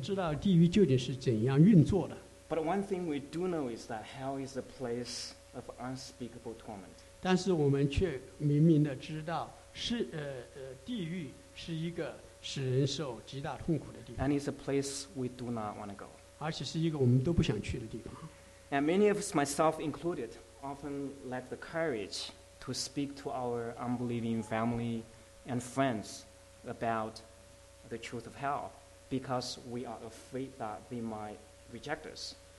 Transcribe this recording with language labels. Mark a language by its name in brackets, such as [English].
[Chinese] 所以我们总结一下就是说，我们不知道地狱在哪里，也不知道地狱究竟是怎样运作的。 [English] But one thing we do know is that hell is a place of unspeakable torment. [Chinese] 但是我们却明明的知道，地狱是一个使人受极大痛苦的地方。 [English] And it's a place we do not want to go. [Chinese] 而且是一个我们都不想去的地方。 [English] And many of us, myself included, often lack the courage to speak to our unbelieving family and friends about the truth of hell because we are afraid that they might reject us.